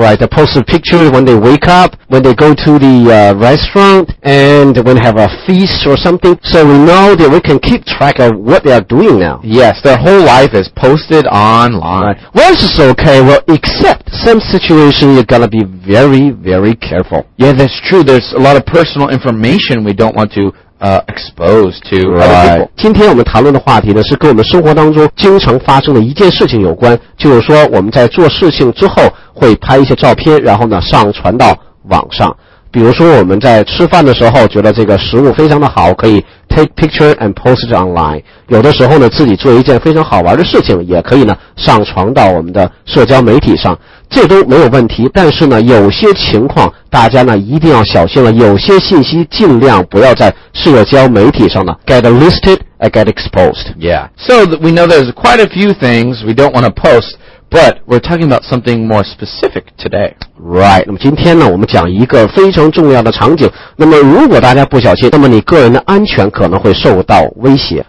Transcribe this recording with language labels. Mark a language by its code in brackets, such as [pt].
[en] Right, they post a picture when they wake up, when they go to the restaurant, and when they have a feast or something, so we know that we can keep track of what they are doing now. Yes, their whole life is posted online. Right. Well, this is okay, well, except some situation you've got to be very, very careful. Yeah, that's true. There's a lot of personal information we don't want to expose to other people. [zh] 今天我们谈论的话题呢，是跟我们生活当中经常发生的一件事情有关，就是说我们在做事情之后会拍一些照片，然后呢上传到网上。比如说我们在吃饭的时候觉得这个食物非常的好，可以 [en] take picture and post it online。 [zh] 有的时候呢自己做一件非常好玩的事情，也可以呢上传到我们的社交媒体上。这都没有问题，但是呢有些情况大家呢一定要小心了，有些信息尽量不要在社交媒体上呢 [en] get listed and get exposed. Yeah, so we know there's quite a few things we don't want to post, but we're talking about something more specific today. [zh] Right, 那么今天呢我们讲一个非常重要的场景，那么如果大家不小心，那么你个人的安全可能会受到威胁。